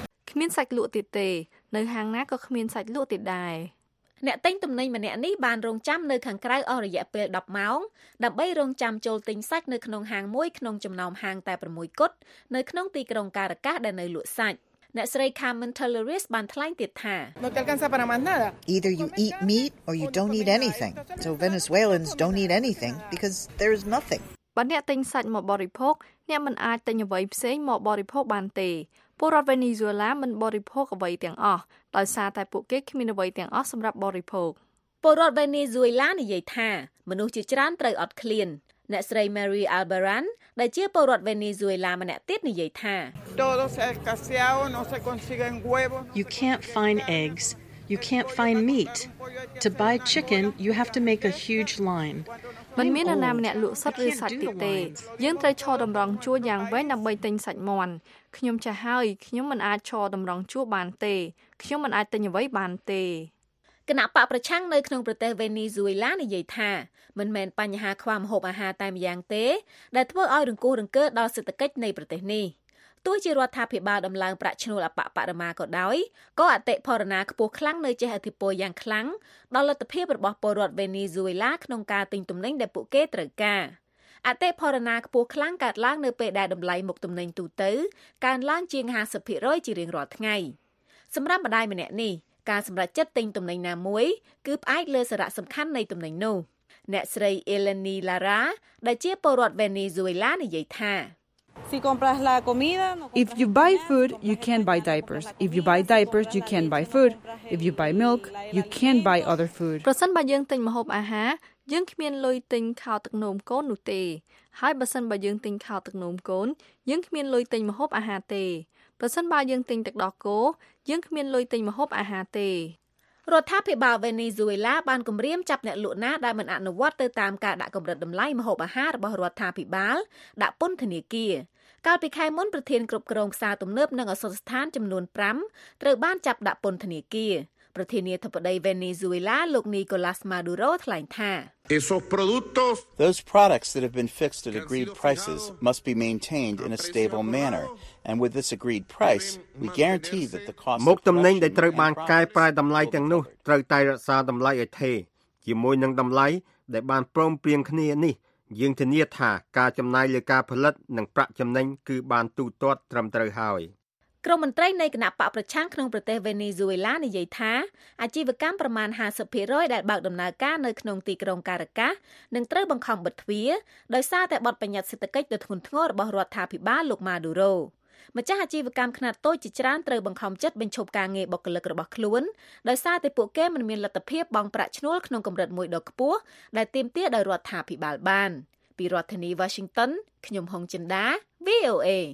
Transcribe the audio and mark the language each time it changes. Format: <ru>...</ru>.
<km>គ្មានសាច់លក់ទៀតទេនៅហាងណាក៏គ្មានសាច់លក់ទៀតដែរ អ្នកទិញទំនិញម្នាក់នេះបានរងចាំនៅខាងក្រៅអស់រយៈពេល10ម៉ោងដើម្បីរងចាំចូលទិញសាច់នៅក្នុងហាងមួយក្នុងចំណោមហាងតែ6គត់នៅក្នុងទីក្រុងការកាសដែលនៅលក់សាច់អ្នកស្រី Carmen Tellerys បានថ្លែងទៀតថា</km> <en>Either you eat meat or you don't eat anything. So Venezuelans don't eat anything because there is nothing.</en> <km>បើអ្នកទិញសាច់មកបរិភោគអ្នកមិនអាចទិញអ្វីផ្សេងមកបរិភោគបានទេពលរដ្ឋ Venezuela មិនបរិភោគអ្វីទាំងអស់ដោយសារតែពួកគេគ្មានអ្វីទាំងអស់សម្រាប់បរិភោគ ពលរដ្ឋ Venezuela និយាយថាមនុស្សជាច្រើនត្រូវអត់ឃ្លានអ្នកស្រី Mary Albaran ដែលជាពលរដ្ឋ Venezuela ម្នាក់ទៀតនិយាយថា</km> <es>Todos escaseados, no se consiguen huevos.</es> <en>You can't find eggs. You can't find meat. To buy chicken, you have to make a huge line.</en> <km>មិនមាននរណាម្នាក់លក់សត្វឬសាច់ទេយើងត្រូវឈរតម្រង់ជួរយ៉ាងវែងដើម្បីទិញសាច់មាន់ខ្ញុំចាស់ហើយខ្ញុំមិនអាចឈរតម្រង់ជួរបានទេខ្ញុំមិនអាចទិញអ្វីបានទេ គណៈបកប្រឆាំងនៅក្នុងប្រទេសវេនេស៊ុយឡានិយាយថាមិនមែនបញ្ហាខ្វះម្ហូបអាហារតែម្យ៉ាងទេដែលធ្វើឲ្យរង្គោះរង្គើដល់សេដ្ឋកិច្ចនៃប្រទេសនេះទោះជារដ្ឋាភិបាលដំឡើងប្រាក់ឈ្នួលអបបរមាក៏ដោយក៏អតិផរណាខ្ពស់ខ្លាំងនៅចេះឥទ្ធិពលយ៉ាងខ្លាំងដល់លទ្ធភាពរបស់ពលរដ្ឋវេនេស៊ុយឡាក្នុងការទិញទំនិញដែលពួកគេត្រូវការអតិផរណាខ្ពស់ខ្លាំងកើតឡើងនៅពេលដែលតម្លៃមុខទំនិញទូទៅកើនឡើងជាង 50% ជារៀងរាល់ថ្ងៃ សម្រាប់ម្ដាយម្នាក់នេះការសម្រេចចិត្តទិញទំនិញណាមួយគឺផ្អែកលើសារៈសំខាន់នៃទំនិញនោះអ្នកស្រី Eleni Lara ដែលជាពលរដ្ឋវេនេស៊ុយឡានិយាយថា</km> <en>If you buy food, you can buy diapers. If you buy diapers, you can buy food. If you buy milk, you can buy other food.</en> <km>ប្រសិនបើយើងទិញម្ហូបអាហារយើងគ្មានលុយទិញខោទឹកនោមកូននោះទេហើយបើសិនបើយើងទិញខោទឹកនោមកូនយើងគ្មានលុយទិញម្ហូបអាហារទេប្រសិនបើយើងទិញទឹកដោះគោយើងគ្មានលុយទិញម្ហូបអាហារទេ រដ្ឋាភិបាលវេនេស៊ុយឡាបានគម្រាមចាប់អ្នកលក់ណាដែលមិនអនុវត្តទៅតាមការដាក់កម្រិតតម្លៃម្ហូបអាហាររបស់រដ្ឋាភិបាលដាក់ពន្ធនាគារកាលពីខែមុនប្រធានគ្រប់គ្រងផ្សារទំនើបនិងអសន្នស្ថានចំនួន5ត្រូវបានចាប់ដាក់ពន្ធនាគារប្រធានាធិបតីវេនេស៊ុយឡាលោកនីកូឡាស់ម៉ាឌូរ៉ូថ្លែងថា</km> <es>Esos productos</es> <en>Those products that have been fixed at agreed prices must be maintained in a stable manner and with this agreed price we guarantee that the cost</en> <km>មកតំណែងដែលត្រូវបានកែប្រែតម្លៃទាំងនោះត្រូវតែរក្សាតម្លៃឲ្យថេរជាមួយនឹងតម្លៃដែលបានព្រមព្រៀងគ្នានេះយើងធានាថាការចំណាយលើការផលិតនិងប្រាក់ចំណេញគឺបានទូទាត់ត្រឹមត្រូវហើយ ក្រុមមន្ត្រីនៃគណៈបកប្រឆាំងក្នុងប្រទេសវេនេស៊ុយឡានិយាយថាអាជីវកម្មប្រមាណ 50% ដែលបើកដំណើរការនៅក្នុងទីក្រុងការ៉ាកាសនឹងត្រូវបង្ខំបិទទ្វារដោយសារតែបទបញ្ញត្តិសេដ្ឋកិច្ចដ៏ធ្ងន់ធ្ងររបស់រដ្ឋាភិបាលលោកម៉ាឌូរ៉ូម្ចាស់អាជីវកម្មខ្នាតតូចជាច្រើនត្រូវបង្ខំចិត្តបញ្ឈប់ការងារបុគ្គលិករបស់ខ្លួនដោយសារតែពួកគេមិនមានលទ្ធភាពបង់ប្រាក់ឈ្នួលក្នុងកម្រិតមួយដ៏ខ្ពស់ដែលទាមទារដោយរដ្ឋាភិបាលបានពីរដ្ឋធានី Washington ខ្ញុំហុងចិនដា VOA</km>